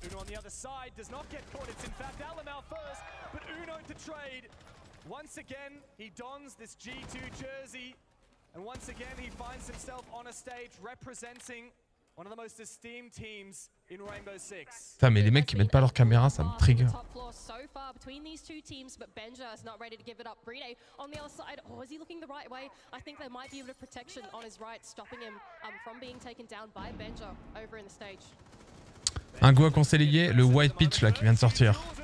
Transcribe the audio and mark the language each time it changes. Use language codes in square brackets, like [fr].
[en] Uno on the other side does not get caught. It's in fact Alamal first, but Uno to trade. Once again, he dons this G2 jersey, and once again he finds himself on a stage representing one of the most esteemed teams in Rainbow Six. [fr] Putain, mais les mecs qui mettent pas leur caméra, ça me trigger. [en] So far between these two teams, but Benja is not ready to give it up. Breedé on the other side, oh, is he looking the right way? I think there might be a bit of protection on his right, stopping him from being taken down by Benja over in the stage. [fr] Un goût à conseiller, le White Peach là qui vient de sortir.